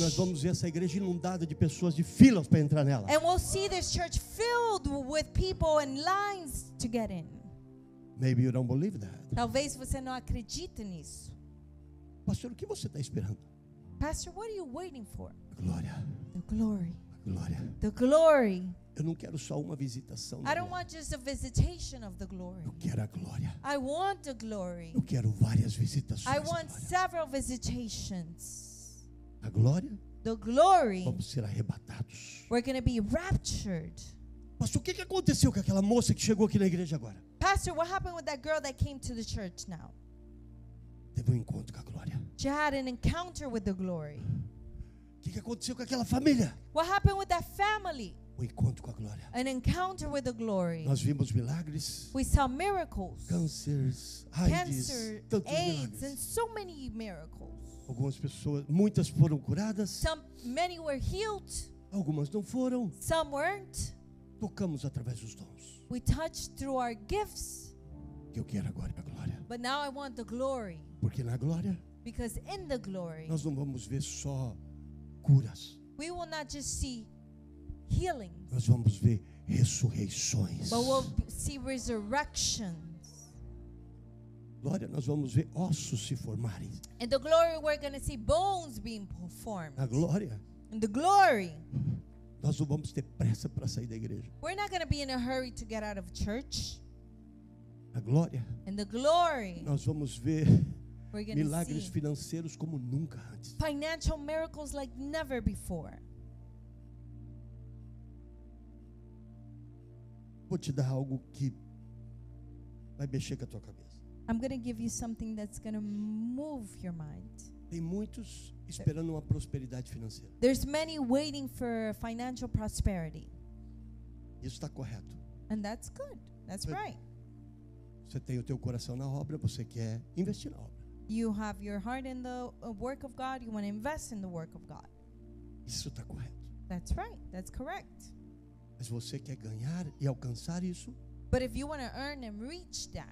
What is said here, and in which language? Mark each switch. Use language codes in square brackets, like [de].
[pt] Nós vamos ver essa igreja inundada de pessoas de filas para entrar nela. [en] And we'll see this church filled with people and lines to get in. Maybe you don't believe that. [pt] Talvez você não acredite nisso. Pastor, o que você está esperando? [en] Pastor, what are you waiting for? [pt] Glória. [en] The glory. [pt] Glória. [en] The glory. [pt] Eu não quero só uma visitação. [en] I don't want just a visitation of the glory. [pt] Eu quero a glória. [en] I want the glory. [pt] Eu quero várias visitações. [en] I want several visitations. [pt] A glória? [en] The glory. [pt] Vamos ser arrebatados. [en] We're going to be raptured. [pt] Mas o que aconteceu com aquela moça que chegou aqui na igreja agora? [en] Pastor, what happened with that girl that came to the church now? [pt] Teve encontro com a glória. [en] She had an encounter with the glory. [pt] O que aconteceu com aquela família? [en] What happened with that family? [pt] O encontro com a glória. [en] An encounter with the glory. [pt] Nós vimos milagres. [en] We saw miracles. Cancers, AIDS, and so many miracles. [pt] Algumas pessoas, muitas foram curadas. [en] Some, many were healed. [pt] Algumas não foram. [en] Some weren't. [pt] Tocamos através dos dons. [en] We touched through our gifts. [pt] Eu quero agora a glória. [en] But now I want the glory. [pt] Porque na glória. [en] Because in the glory. [pt] Nós não vamos ver só curas. [en] We will not just see healings. [pt] Nós vamos ver ressurreições. [en] But we'll see resurrections. [pt] Glória, nós vamos ver ossos se formarem. [en] In the glory, we're going to see bones being formed. [pt] Na glória. [en] In the glory. [pt] Nós não vamos ter pressa para sair da igreja. [en] We're not going to be in a hurry to get out of church. [pt] Na glória. [en] In the glory. [pt] Nós vamos ver milagres financeiros como nunca antes. [en] Financial miracles like never before. [pt] Vou te dar algo que vai mexer com a tua cabeça. [en] I'm going to give you something that's going to move your mind. [pt] Tem muitos esperando uma prosperidade financeira. [en] There's many waiting for financial prosperity. [pt] Isso está correto. [en] And that's good. That's right. [pt] Você tem o teu coração na obra, você quer investir na obra. [en] You have your heart in the work of God, you want to invest in the work of God. [pt] Isso está correto. [en] That's right. That's correct. [pt] Mas você quer ganhar e alcançar isso? [en] But if you want to earn and reach that,